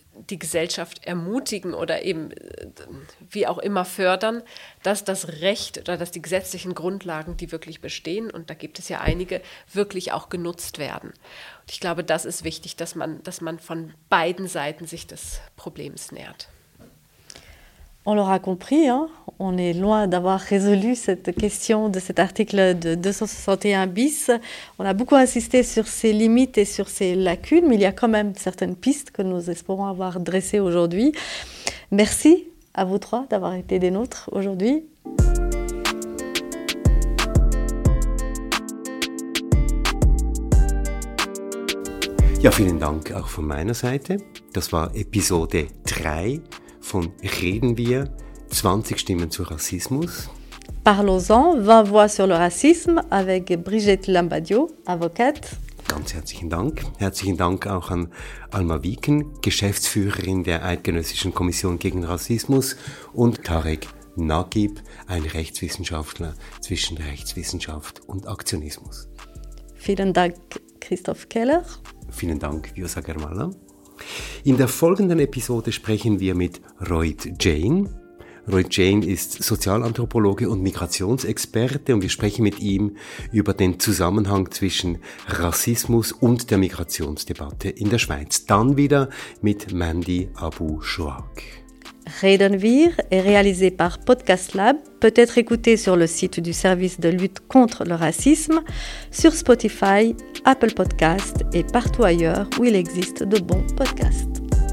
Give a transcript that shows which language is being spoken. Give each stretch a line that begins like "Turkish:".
German: die Gesellschaft ermutigen oder eben wie auch immer fördern, dass das Recht oder dass die gesetzlichen Grundlagen, die wirklich bestehen, und da gibt es ja einige, wirklich auch genutzt werden. Und ich glaube, das ist wichtig, dass man von beiden Seiten sich des Problems nähert.
French: On l'aura compris, hein? On est loin d'avoir résolu cette question de cet article de 261 bis. On a beaucoup insisté sur ses limites et sur ses lacunes, mais il y a quand même certaines pistes que nous espérons avoir dressées aujourd'hui. Merci à vous trois d'avoir été des nôtres aujourd'hui.
German: Ja, vielen Dank auch von meiner Seite. Das war Episode 3. Von Reden wir 20 Stimmen zu Rassismus.
French: Parlons-en 20 voix sur le racisme avec Brigitte Lambadio, avocate.
German: Ganz herzlichen Dank. Herzlichen Dank auch an Alma Wieken, Geschäftsführerin der Eidgenössischen Kommission gegen Rassismus, und Tarek Nagib, ein Rechtswissenschaftler zwischen Rechtswissenschaft und Aktionismus. Vielen Dank, Christoph Keller. Vielen Dank, Jusa Germala. In der folgenden Episode sprechen wir mit Roit Jain. Roit Jain ist Sozialanthropologe und Migrationsexperte, und wir sprechen mit ihm über den Zusammenhang zwischen Rassismus und der Migrationsdebatte in der Schweiz. Dann wieder mit Mandy Abou-Chouaq.
French: Reden wir est réalisé par Podcast Lab, peut être écouté sur le site du service de lutte contre le racisme, sur Spotify, Apple Podcasts et partout ailleurs où il existe de bons podcasts.